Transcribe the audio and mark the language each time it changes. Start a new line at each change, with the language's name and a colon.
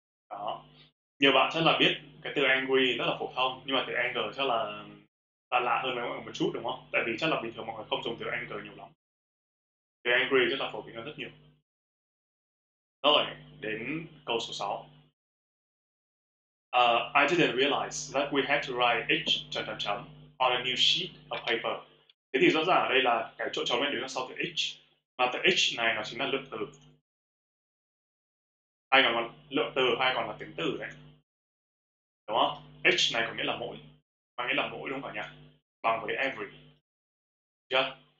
Vietnamese: Đó. Nhiều bạn chắc là biết cái từ angry rất là phổ thông, nhưng mà từ anger chắc là lạ hơn với mọi người một chút đúng không? Tại vì chắc là bình thường mọi người không dùng từ anger nhiều lắm. Từ angry chắc là phổ biến hơn rất nhiều. Rồi, đến câu số 6.
English: I didn't realize that we had to write H... on a new sheet of paper.
Vietnamese: Thế thì rõ ràng ở đây là cái chỗ chấm này đứng sau từ H. Mà từ H này nó chính là lượng từ. Hay còn là lượng từ hay còn là tính từ đấy. Đúng không? H này có nghĩa là mỗi. Có nghĩa là mỗi đúng không nhỉ? Bằng với every. Yeah.